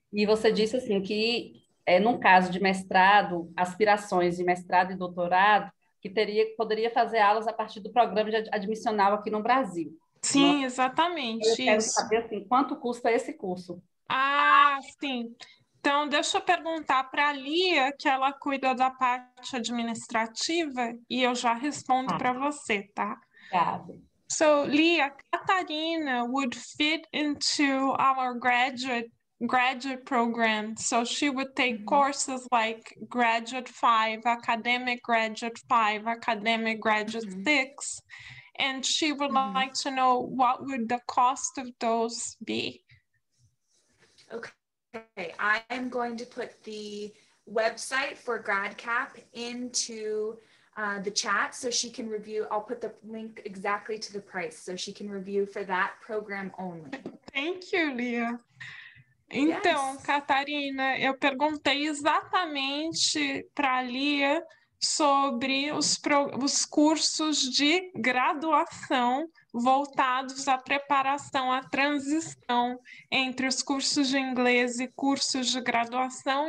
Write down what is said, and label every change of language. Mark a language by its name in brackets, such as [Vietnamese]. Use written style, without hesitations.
[Portuguese] E você disse assim que é num caso de mestrado, aspirações de mestrado e doutorado, que poderia fazer aulas a partir do programa de admissional aqui no Brasil. Não? Sim, exatamente Eu quero isso. saber assim, quanto custa esse curso? Ah, sim. Então, deixa eu perguntar para a Lia, que ela cuida da parte administrativa, e eu já respondo para você, tá? Obrigada. [English] So, Lia, Catarina would fit into our graduate program. So she would take courses like Graduate 5, Academic Graduate 5, Academic Graduate 6. And she would like to know what would the cost of those be? Okay, I am going to put the website for GradCap into the chat so she can review. I'll put the link exactly to the price so she can review for that program only. Thank you, Leah. [Portuguese] Então, [English] Yes. [Portuguese] Catarina, eu perguntei exatamente para Lia sobre os cursos de graduação voltados à preparação, à transição entre os cursos de inglês e cursos de graduação.